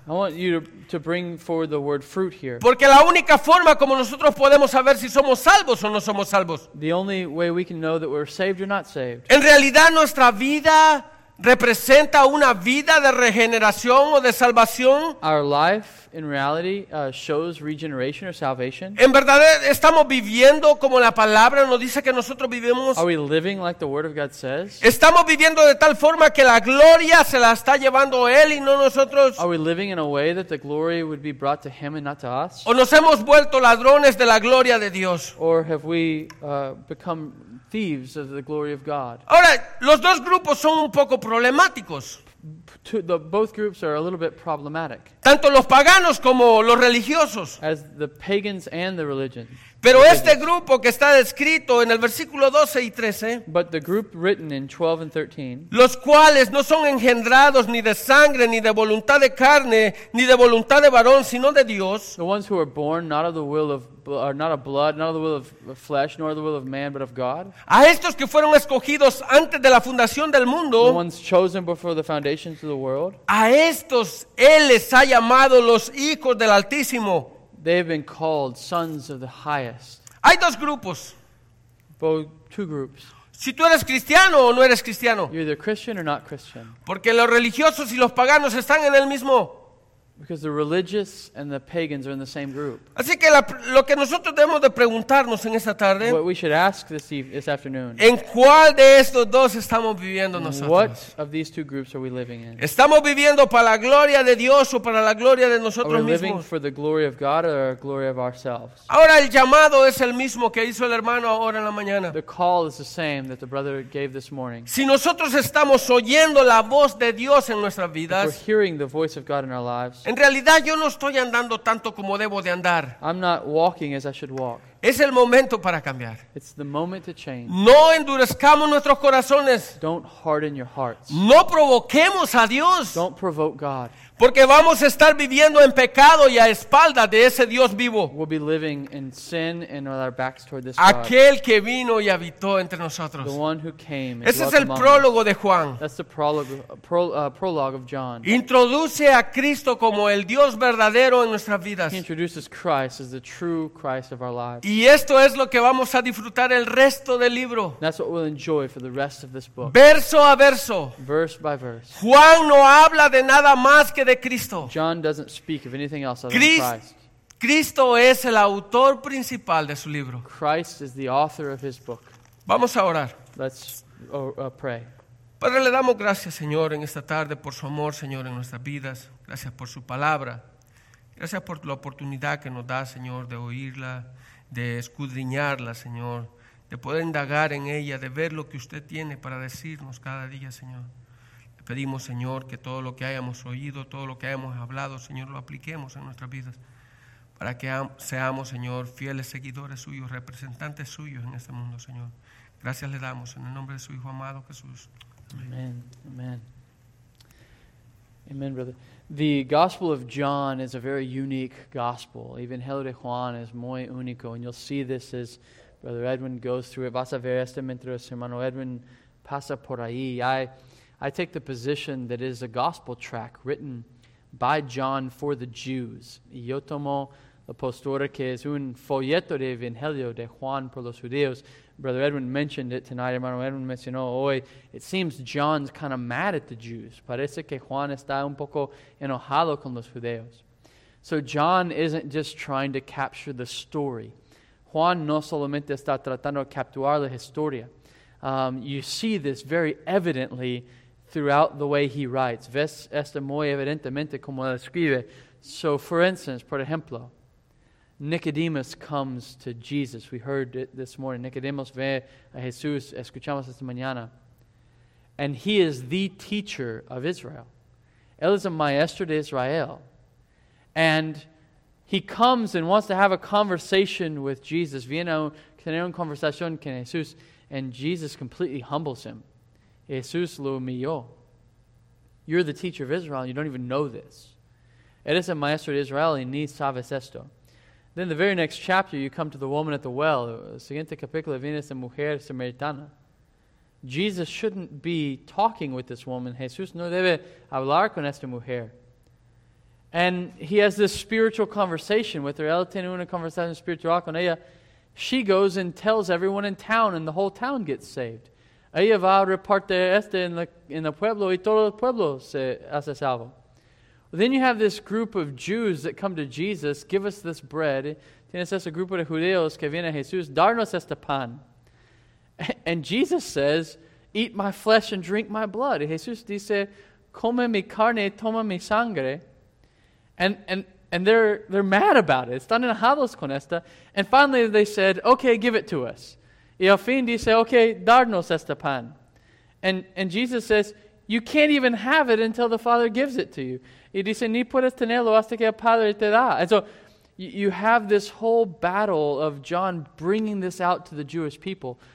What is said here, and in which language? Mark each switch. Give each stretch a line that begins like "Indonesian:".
English: I want you to bring forward the word fruit here.
Spanish: Porque la única forma como nosotros podemos saber si somos salvos o no somos salvos.
English: The only way we can know that we're saved or not saved.
Spanish: En realidad nuestra vida representa una vida de regeneración o de salvación.
English: Our life, in reality, shows regeneration or salvation.
Spanish: En verdad, estamos viviendo como la palabra nos dice que nosotros vivimos.
English: Are we living like the word of God says?
Spanish: Estamos viviendo de tal forma que la gloria se la está llevando él y no nosotros.
English: Are we living in a way that the glory would be brought to him and not to us?
Spanish: O nos hemos vuelto ladrones de la gloria de Dios.
English: Or have we become thieves of the glory of God.
Spanish: Ahora, los dos grupos son un poco problemáticos.
English: Both groups are a little bit problematic.
Spanish: Tanto los paganos como los religiosos.
English: As the pagans and the religions.
Spanish: Pero este grupo que está descrito en el versículo 12 y 13,
English: but the group written in 12 and 13,
Spanish: los cuales no son engendrados ni de sangre, ni de voluntad de carne, ni de voluntad de varón, sino de Dios.
English: The ones who are born not of the will of are not of blood, not of the will of flesh, nor of the will of man, but of God.
Spanish: A estos que fueron escogidos antes de la fundación del mundo,
English: the ones chosen before the foundations of the world,
Spanish: a estos él les ha llamado los hijos del Altísimo.
English: They have been called sons of the highest.
Spanish: Hay dos grupos.
English: Both two groups.
Spanish: Si tú eres cristiano o no eres cristiano.
English: You're either Christian or not Christian.
Spanish: Porque los religiosos y los paganos están en el mismo.
English: Because the religious and the pagans are in the same group.
Spanish: Así que lo que nosotros debemos de preguntarnos en esta tarde.
English: What we should ask this afternoon.
Spanish: ¿En cuál de estos dos estamos viviendo nosotros?
English: What of these two groups are we living in?
Spanish: ¿Estamos viviendo para la gloria de Dios o para la gloria de nosotros mismos?
English: Are we living for the glory of God or the glory of ourselves?
Spanish: Ahora el llamado es el mismo que hizo el hermano ahora en la mañana.
English: The call is the same that the brother gave this morning.
Spanish: Si nosotros estamos oyendo la voz de Dios en nuestras vidas.
English: If we're hearing the voice of God in our lives.
Spanish: En realidad yo no estoy andando tanto como debo de andar.
English: I'm not walking as I should walk.
Spanish: Es el momento para cambiar.
English: It's the moment to change.
Spanish: No endurezcamos nuestros corazones.
English: Don't harden your hearts.
Spanish: No provoquemos a Dios.
English: Don't provoke God.
Spanish: Porque vamos a estar viviendo en pecado y a espaldas de ese Dios vivo.
English: We'll be living in sin and with our backs toward this God.
Spanish: Aquel que vino y habitó entre nosotros.
English: The one who came.
Spanish: Ese es el prólogo de Juan.
English: That's the prologue of John.
Spanish: Introduce a Cristo como el Dios verdadero en nuestras vidas.
English: He introduces Christ as the true Christ of our lives.
Spanish: Y esto es lo que vamos a disfrutar el resto del libro.
English: That's what we'll enjoy for the rest of this book.
Spanish: Verso a verso.
English: Verse by verse.
Spanish: Juan no habla de nada más que de Cristo.
English: John doesn't speak of anything else other than Christ.
Spanish: Cristo es el autor principal de su libro.
English: Christ is the author of his book.
Spanish: Vamos a orar.
English: Let's pray.
Spanish: Padre, le damos gracias, Señor, en esta tarde por su amor, Señor, en nuestras vidas. Gracias por su palabra. Gracias por la oportunidad que nos da, Señor, de oírla, de escudriñarla, Señor, de poder indagar en ella, de ver lo que usted tiene para decirnos cada día, Señor. Pedimos, Señor, que todo lo que hayamos oído, todo lo que hayamos hablado, Señor, lo apliquemos en nuestras vidas para que seamos, Señor, fieles seguidores suyos, representantes suyos en este mundo, Señor. Gracias le damos en el nombre de su Hijo amado, Jesús. Amén. Amén. Amén, brother.
English: The Gospel of John is a very unique gospel.
Spanish: Evangelio de Juan es muy único.
English: And you'll see this as Brother Edwin goes through it.
Spanish: Vas a ver este mientras hermano Edwin pasa por ahí.
English: I take the position that it is a gospel tract written by John for the Jews.
Spanish: Y yo tomo la postura que es un folleto de Evangelio de Juan por los judíos.
English: Brother Edwin mentioned it tonight.
Spanish: Hermano Edwin mencionó hoy.
English: It seems John's kind of mad at the Jews.
Spanish: Parece que Juan está un poco enojado con los judíos.
English: So John isn't just trying to capture the story.
Spanish: Juan no solamente está tratando de capturar la historia.
English: You see this very evidently throughout the way he writes.
Spanish: Ves esto muy evidentemente como él escribe.
English: So, for instance,
Spanish: por ejemplo,
English: Nicodemus comes to Jesus. We heard it this morning.
Spanish: Nicodemus ve a Jesús. Escuchamos esta mañana.
English: And he is the teacher of Israel.
Spanish: Él es el maestro de Israel.
English: And he comes and wants to have a conversation with Jesus.
Spanish: Viene a tener una conversación con Jesús.
English: And Jesus completely humbles him.
Spanish: Jesús lo humilló.
English: You're the teacher of Israel. You don't even know this.
Spanish: Eres el maestro de Israel y ni sabes esto.
English: Then the very next chapter, you come to the woman at the well.
Spanish: Siguiente capítulo, viene esa mujer samaritana.
English: Jesus shouldn't be talking with this woman.
Spanish: Jesús no debe hablar con esta mujer.
English: And he has this spiritual conversation with her.
Spanish: Él tiene una conversación espiritual con ella.
English: She goes and tells everyone in town, and the whole town gets saved.
Spanish: Ella va a repartir este en el pueblo, y todo el pueblo se hace salvo.
English: Then you have this group of Jews that come to Jesus, give us this bread.
Spanish: Tienes ese grupo de judíos que viene a Jesús, darnos este pan.
English: And Jesus says, eat my flesh and drink my blood.
Spanish: Jesús dice, come mi carne, toma mi sangre.
English: And they're mad about it.
Spanish: Están enojados con esta.
English: And finally they said, okay, give it to us.
Spanish: Y al fin dice, okay, darnos este pan.
English: And Jesus says, you can't even have it until the Father gives it to you.
Spanish: Y dice, ni puedes tenerlo hasta que el Padre te da.
English: And so you have this whole battle of John bringing this out to the Jewish people.